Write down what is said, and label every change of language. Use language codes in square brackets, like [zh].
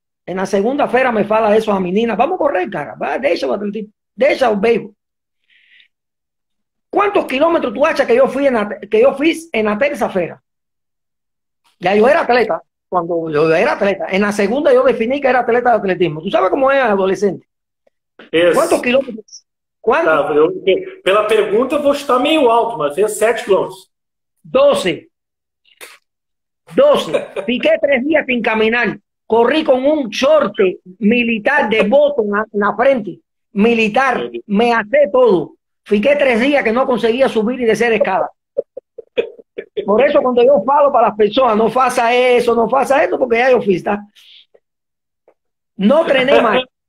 [es] En la segunda feira me fala eso a mi nina. Vamos a correr, cara. Va, deja un béisbol. ¿Cuántos kilómetros tú hachas que yo fui en la tercera feira? Ya yo era atleta. Cuando yo era atleta. En la segunda yo definí que era atleta de atletismo. ¿Tú sabes cómo es adolescente? ¿Cuántos [pt] Esse. [es] kilómetros? ¿Cuándo? [pt] Tá, eu, pela pergunta, eu vou chutar meio alto, mas é 7 km. [es] 12. 12. Piqué 3 días sin caminar. Corrí con un short militar de botón en la frente. militar, me até todo. Fiqué 3 días que no conseguía subir y descer escala. Por eso cuando yo falo para las personas, no pasa eso, no pasa esto, porque ya yo fui, ¿está? No entrené más.